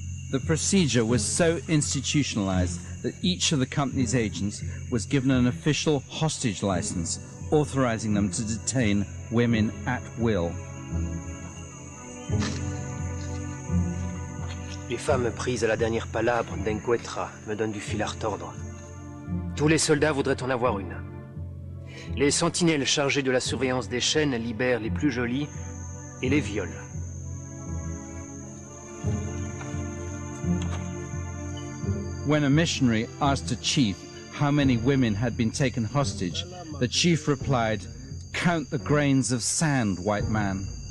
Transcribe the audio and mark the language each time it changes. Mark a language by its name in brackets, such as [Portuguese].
[English] The procedure was so institutionalized that each of the company's agents was given an official hostage license, authorizing them to detain women at will. [French] Les femmes prises à la dernière palabre d'un Quetra me donnent du fil à retordre. Tous les soldats voudraient en avoir une. Les sentinelles chargées de la surveillance des chaînes libèrent les plus jolies et les violent. [English] When a missionary asked a chief how many women had been taken hostage, the chief replied, "Count the grains of sand, white man."